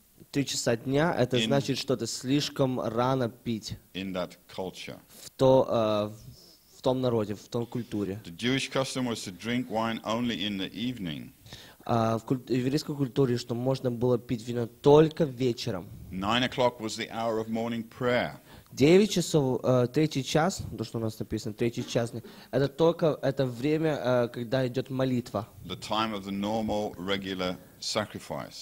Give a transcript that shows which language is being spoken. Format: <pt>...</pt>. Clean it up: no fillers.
<ru>Три часа дня — это значит, что ты слишком рано пить.</ru> <en>In that culture.</en> <ru>В том народе, в том культуре.</ru> <en>The Jewish custom was to drink wine only in the evening.</en> <ru>В еврейской культуре, что можно было пить вино только вечером.</ru> <en>9 o'clock was the hour of morning prayer.</en> <ru>9 часов, третий час, то, что у нас написано, третий час, это только это время, когда идет молитва.</ru> <en>The time of the normal, regular sacrifice.</en>